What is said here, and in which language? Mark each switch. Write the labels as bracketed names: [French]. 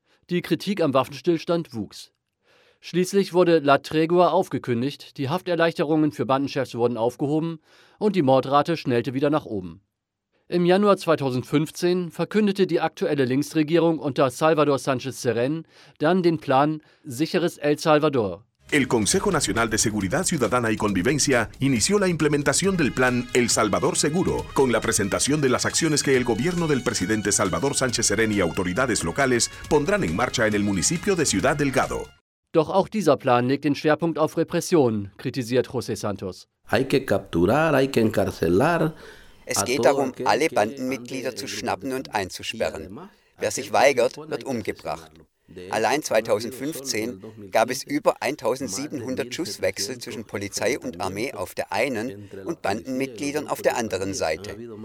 [German] Die Kritik am Waffenstillstand wuchs. Schließlich wurde La Tregua aufgekündigt, die Hafterleichterungen für Bandenchefs wurden aufgehoben und die Mordrate schnellte wieder nach oben. Im Januar 2015 verkündete die aktuelle Linksregierung unter Salvador Sánchez Serén dann den Plan Sicheres El Salvador. [Spanish] El Consejo Nacional de Seguridad Ciudadana y Convivencia inició la implementación del plan El Salvador Seguro con la presentación de las acciones que el gobierno del presidente Salvador Sánchez Serén y autoridades locales pondrán en marcha en el municipio de Ciudad Delgado. [German] Doch auch dieser Plan legt den Schwerpunkt auf Repression, kritisiert José Santos. Es geht darum, alle Bandenmitglieder zu schnappen und einzusperren. Wer sich weigert, wird umgebracht. Allein 2015 gab es über 1.700 Schusswechsel zwischen Polizei und Armee auf der einen und Bandenmitgliedern auf der anderen Seite.